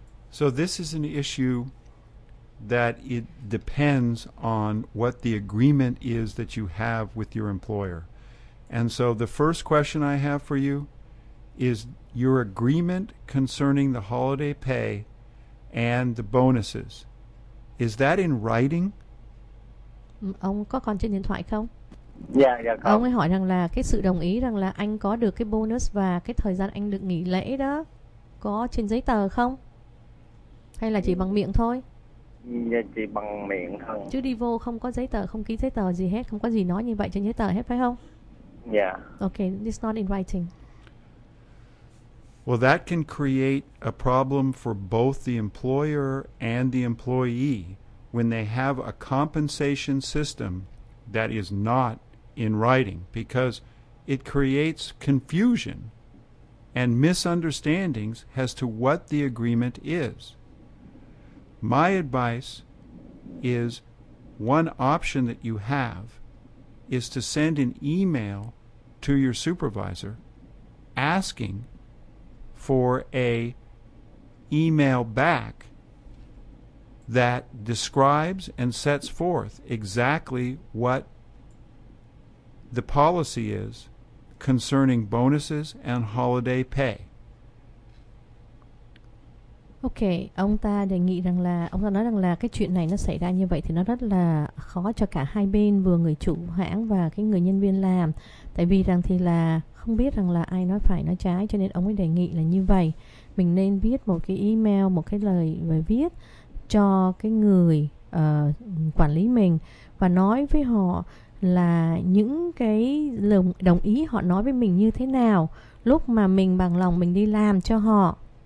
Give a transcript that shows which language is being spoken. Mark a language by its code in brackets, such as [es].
[en] So this is an issue that it depends on what the agreement is that you have with your employer. And so the first question I have for you is your agreement concerning the holiday pay and the bonuses. Is that in writing? [vi] Ông có còn trên điện thoại không? Dạ, dạ có. Ông ấy hỏi rằng là cái sự đồng ý rằng là anh có được cái bonus và cái thời gian anh được nghỉ lễ đó có trên giấy tờ không? Hay là chỉ bằng miệng thôi? Chỉ bằng miệng thôi. Chứ đi vô không có giấy tờ, không ký giấy tờ gì hết, không có gì nói như vậy trên giấy tờ hết, phải không? [en] Yeah. Okay, it's not in writing. Well, that can create a problem for both the employer and the employee when they have a compensation system that is not in writing, because it creates confusion and misunderstandings as to what the agreement is. My advice is, one option that you have is to send an email to your supervisor asking for a email back that describes and sets forth exactly what the policy is concerning bonuses and holiday pay. [vi] Ok, ông ta đề nghị rằng là, ông ta nói rằng là cái chuyện này nó xảy ra như vậy thì nó rất là khó cho cả hai bên, vừa người chủ hãng và cái người nhân viên làm. Tại vì rằng thì là không biết rằng là ai nói phải nói trái, cho nên ông ấy đề nghị là như vậy. Mình nên viết một cái email, một cái lời về viết cho cái người quản lý mình và nói với họ là những cái đồng ý họ nói với mình như thế nào lúc mà mình bằng lòng mình đi làm cho họ.